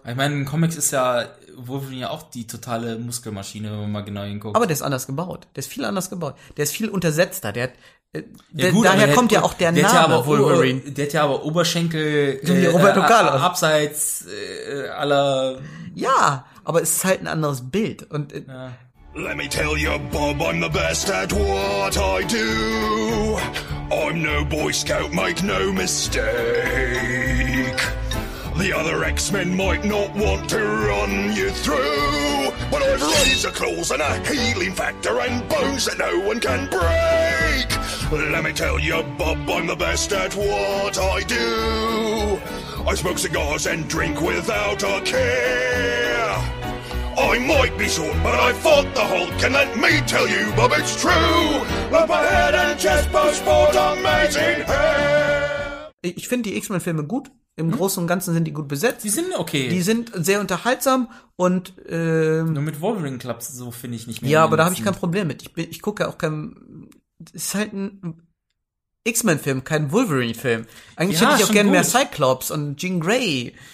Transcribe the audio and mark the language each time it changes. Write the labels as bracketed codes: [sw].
[de] Ich meine, in Comics ist ja Wolverine ja auch die totale Muskelmaschine, wenn man mal genau hinguckt. Aber der ist anders gebaut. Der ist viel anders gebaut. Der ist viel untersetzter. Der hat, daher kommt ja auch der Name. Der hat ja aber Oberschenkel abseits aller... Ja, aber es ist halt ein anderes Bild. Und, ja. [en] Let me tell you, Bob, I'm the best at what I do. I'm no Boy Scout, make no mistake. The other X-Men might not want to run you through, but I've razor claws and a healing factor and bones that no one can break. Let me tell you, Bob, I'm the best at what I do. I smoke cigars and drink without a care. I might be short, but I fought the Hulk, and let me tell you, Bob, it's true. Love my head and chest, both sport amazing hair. [de] Ich finde die X-Men-Filme gut. Im Großen und Ganzen sind die gut besetzt. Die sind okay. Die sind sehr unterhaltsam und nur mit Wolverine klappt so, finde ich, nicht mehr. Ja, aber da habe ich kein Problem mit. Ich gucke ja auch kein... Es ist halt ein X-Men-Film, kein Wolverine-Film. Eigentlich hätte ich auch gerne mehr Cyclops und Jean Grey.